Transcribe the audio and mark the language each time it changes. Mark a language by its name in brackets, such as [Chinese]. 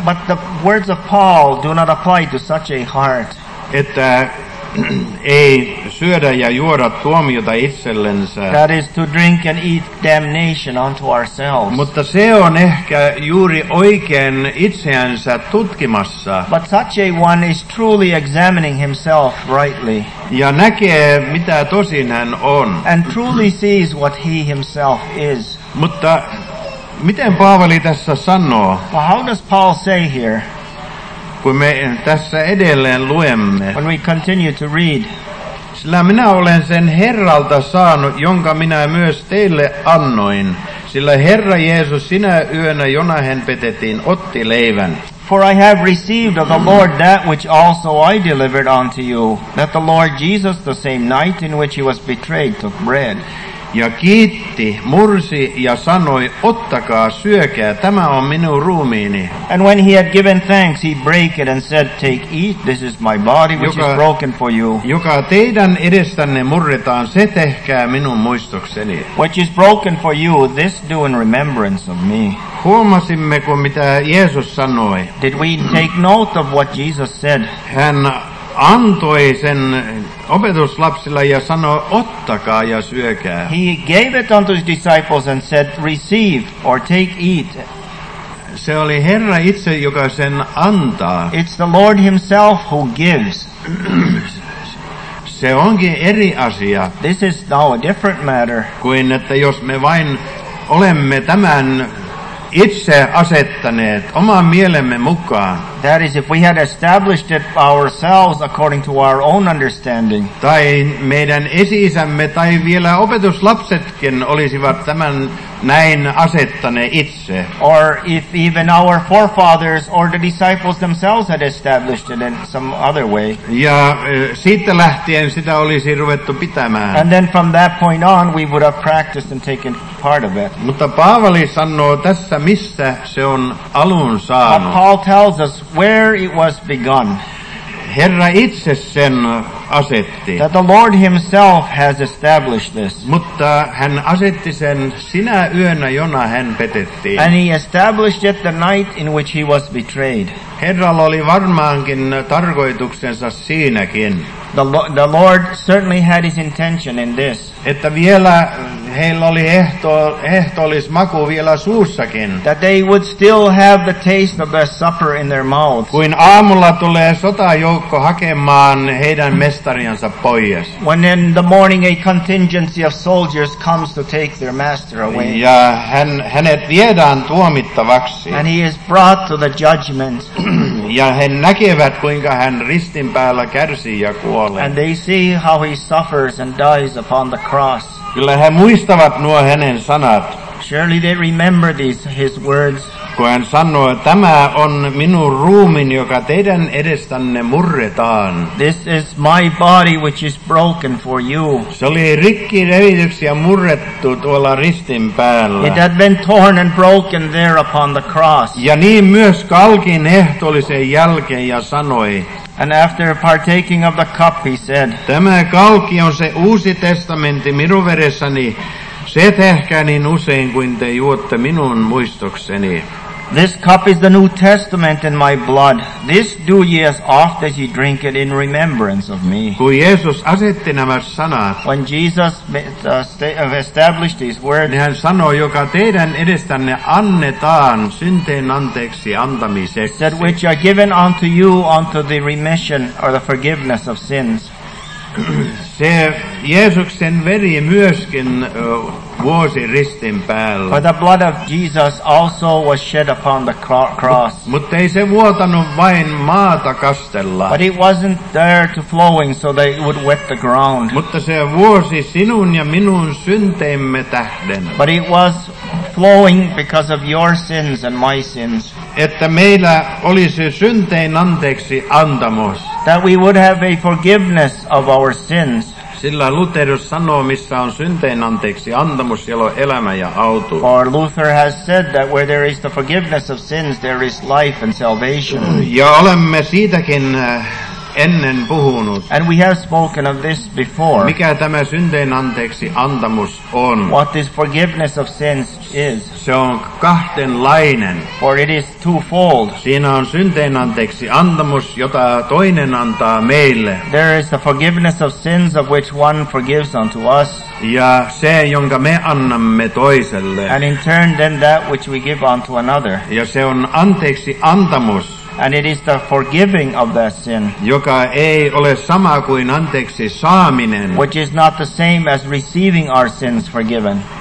[English] But the words of Paul do not apply to such a heart. [Finnish] Että ei syödä ja juoda tuomiota itsellensä. [English] That is to drink and eat damnation unto ourselves. [Finnish] Mutta se on ehkä juuri oikein itseänsä tutkimassa. [English] But such a one is truly examining himself rightly. [Finnish] Ja näkee, mitä tosin hän on. [English] And truly sees what he himself is. [Finnish] Mutta miten Paavali tässä sanoo? [English] But how does Paul say here? [Finnish] Kun me tässä edelleen luemme. [English] When we continue to read. [Finnish] Sillä minä olen sen Herralta saanut, jonka minä myös teille annoin. Sillä Herra Jeesus sinä yönä, jona hän petettiin, otti leivän. [English] For I have received of the Lord that which also I delivered unto you, that the Lord Jesus, the same night in which he was betrayed, took bread. [Finnish] Ja kiitti, mursi ja sanoi, ottakaa, syökää, tämä on minun ruumiini. [English] And when he had given thanks, he broke it and said, take, eat, this is my body which is broken for you. [Finnish] Joka teidän edestänne murretaan, se tehkää minun muistokseni. [English] Which is broken for you, this do in remembrance of me. [Finnish] Huomasimmeko, mitä Jeesus sanoi? [English] Did we take note of what Jesus said? [Finnish] Hän antoi sen opetuslapsille ja sanoi, ottakaa ja syökää. [English] He gave it unto his disciples and said, receive or take, eat. [Finnish] Se oli Herra itse, joka sen antaa. [English] It's the Lord himself who gives. [Finnish] Se onkin eri asia. [English] This is now a different matter. [Finnish] Kuin että jos me vain olemme tämän itse asettaneet oman mielemme mukaan. [English] That is, if we had established it ourselves according to our own understanding. [Finnish] Tai meidän esi-isämme tai vielä opetuslapsetkin olisivat tämän näin asettaneet itse. [English] Or if even our forefathers or the disciples themselves had established it in some other way. [Finnish] Ja siitä lähtien sitä olisi ruvettu pitämään. [English] And then from that point on we would have practiced and taken part of it. [Finnish] Mutta Paavali sanoo tässä, missä se on alun saanut. [English] But Paul tells us where it was begun. [Finnish] Herra itse sen asetti. [English] That the Lord himself has established this. [Finnish] Mutta hän asetti sen sinä yönä, jona hän petettiin. [English] And he established it the night in which he was betrayed. [Finnish] Herralla oli varmaankin tarkoituksensa siinäkin. [English] The Lord certainly had his intention in this. [Finnish] Että vielä heillä oli ehtoollismaku vielä suussakin. [English] That they would still have the taste of their supper in their mouths. [Finnish] Kuin aamulla tulee sotajoukko hakemaan heidän mestariansa pois. [English] When in the morning a contingency of soldiers comes to take their master away. [Finnish] Ja hänet viedään tuomittavaksi. [English] And he is brought to the judgment. [Finnish] Ja he näkevät, kuinka hän ristin päällä kärsii ja kuolee. [English] And they see how he suffers and dies upon the cross. [Finnish] Kyllä he muistavat nuo hänen sanat. [English] Surely they remember these his words. [Finnish] Kun hän sanoo, tämä on minun ruumiini, joka teidän edestänne murretaan. [English] This is my body which is broken for you. [Finnish] Se oli rikki revityksi ja murrettu tuolla ristin päällä. [English] It had been torn and broken there upon the cross. [Finnish] Ja niin myös kalkin ehtoollisen jälkeen ja sanoi. [English] And after partaking of the cup he said. [Finnish] Tämä kalki on se uusi testamentti minun veressäni. Se tehkää niin usein kuin te juotte minun muistokseni. [English] This cup is the New Testament in my blood. This do ye as oft as ye drink it in remembrance of me. [Finnish] Kun Jeesus asetti nämä sanat. [English] When Jesus established these words. [Finnish] Niin hän sanoi, joka teidän edestänne annetaan synteen anteeksi antamiseksi. [English] That which are given unto you unto the remission or the forgiveness of sins. [Finnish] Se Jeesuksen veri myöskin vuosi ristin päällä. [English] But the blood of Jesus also was shed upon the cross. [Finnish] Mutta ei se vuotanut vain maata kastella. [English] But it wasn't there to flowing so that it would wet the ground. [Finnish] Mutta se vuosi sinun ja minun synteimme tähden. [English] But it was flowing because of your sins and my sins. [Finnish] Että meillä olisi syntein anteeksi antamus. [English] That we would have a forgiveness of our sins. [Finnish] Sillä Luther sanoo, missä on synteen anteeksi antamus, siellä on elämä ja autu. [English] Or Luther has said that where there is the forgiveness of sins, there is life and salvation. [Finnish] Ja olemme siitäkin ennen puhunut. [English] And we have spoken of this before. [Finnish] Mikä tämä synteen anteeksi antamus on? [English] What this forgiveness of sins is. [Finnish] Se on kahdenlainen. [English] For it is twofold. [Finnish] Siinä on synteen anteeksi antamus, jota toinen antaa meille. [English] There is the forgiveness of sins of which one forgives unto us. [Finnish] Ja se, jonka me annamme toiselle. [English] And in turn then that which we give unto another. [Finnish] Ja se on anteeksi antamus. [English] And it is the forgiving of that sin, [Finnish] joka ei ole sama kuin anteeksi saaminen, [English] which is not the same as receiving our sins forgiven,